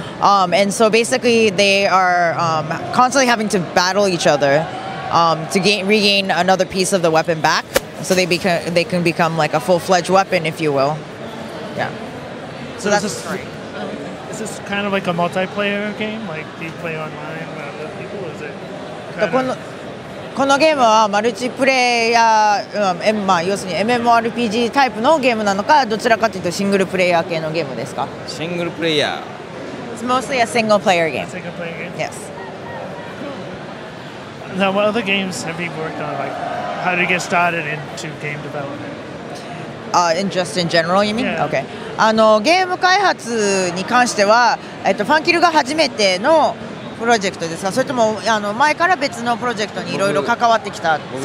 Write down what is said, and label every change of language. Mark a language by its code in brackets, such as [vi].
[en] And so basically they are constantly having to battle each other to regain another piece of the weapon back. So they can become like a full-fledged weapon, if you will. Yeah. So that's is this kind of like a multiplayer game? Like, do you play online with other people? Is it kind of... [ja] このゲームはマルチプレイヤー、まあ、要するに MMORPG タイプのゲームなのか、どちらかというとシングルプレイヤー系のゲームですか？シングルプレイヤ [en] ー。 It's mostly a single player game. Single player game? Yes. Now, what other games have you worked on? Like, how did you get started into game development? Just in general, you mean? Yeah. Okay. [ja] ゲーム開発に関しては、ファンキルが初めてのプロジェクトですか、それとも前から別のプロジェクトにいろいろ関わってきた。